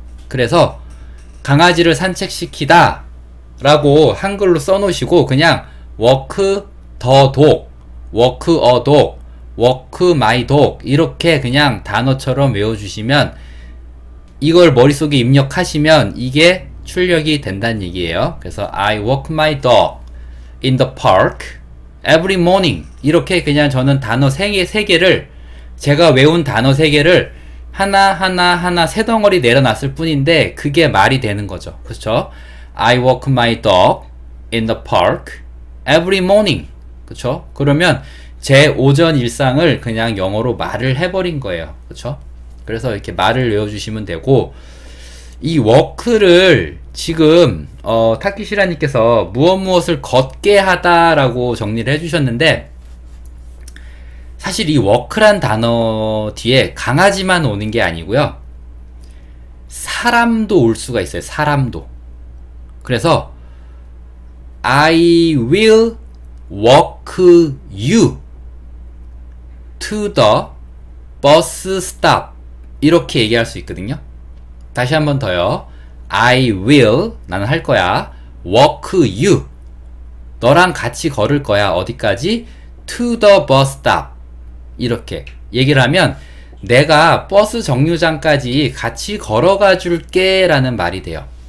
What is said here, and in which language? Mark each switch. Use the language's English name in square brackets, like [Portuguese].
[Korean] 그래서 강아지를 산책시키다 라고 한글로 써 놓으시고 그냥 워크 더 독, 워크 어 독, 워크 마이 독 이렇게 그냥 단어처럼 외워 주시면 이걸 머릿속에 입력하시면 이게 출력이 된다는 얘기예요. 그래서 [English] I walk my dog in the park every morning. [Korean] 이렇게 그냥 저는 단어 세 개를 제가 외운 단어 세 개를 하나하나하나 세 덩어리 내려놨을 뿐인데 그게 말이 되는 거죠. 그렇죠? [English] I walk my dog in the park every morning. [Korean] 그렇죠? 그러면 제 오전 일상을 그냥 영어로 말을 해버린 거예요. 그렇죠? 그래서 이렇게 말을 외워주시면 되고 이 워크를 지금 타키시라님께서 무엇무엇을 걷게 하다라고 정리를 해주셨는데 사실 이 워크란 단어 뒤에 강아지만 오는 게 아니고요. 사람도 올 수가 있어요. 사람도. [English] 그래서 I will walk you to the bus stop. [Korean] 이렇게 얘기할 수 있거든요. 다시 한번 더요. [English] I will, [Korean] 나는 할 거야. [English] walk you. [Korean] 너랑 같이 걸을 거야. 어디까지? [English] to the bus stop. [Korean] 이렇게 얘기를 하면 내가 버스 정류장까지 같이 걸어가 줄게 라는 말이 돼요.